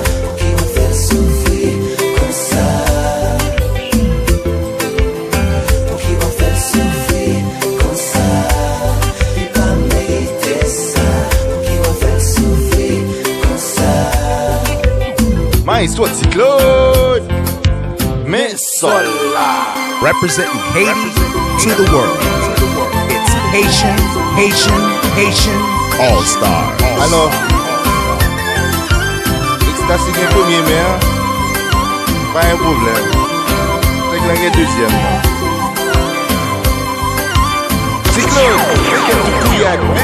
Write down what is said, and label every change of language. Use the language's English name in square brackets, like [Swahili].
[French] Pour qui va faire souffrir comme ça, pour qui va faire souffrir comme ça, et pas mériter ça. Pour qui va faire souffrir comme ça. [English] Maestro Cyclone. Representing Haiti to the world. It's Haitian, Haitian, Haitian All-Star. [French] Alors, si t'as signé premier, mais pas un problème. C'est que l'on est deuxième. C'est clair, c'est qu'il y a du couillac.